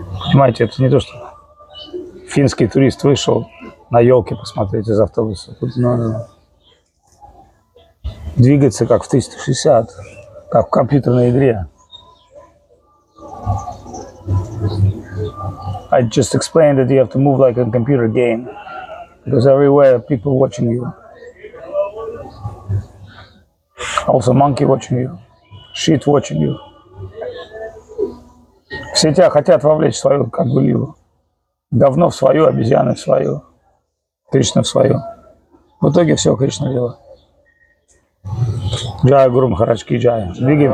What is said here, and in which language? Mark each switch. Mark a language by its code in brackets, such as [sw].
[ru] Понимаете, это не то, что финский турист вышел на елки посмотреть из автобуса. Тут надо... двигаться как в 360, как в компьютерной игре. [en] I just explained that you have to move like a computer game, because everywhere people watching you. Also monkey watching you, shit watching you. [ru] Все тебя хотят вовлечь в свою кагулилу. Говно в свою, обезьяны в свою, Кришна в свою. В итоге все Кришна делает. [hi] Джай Гуру Махарадж ки джай. [ru] Двигаемся.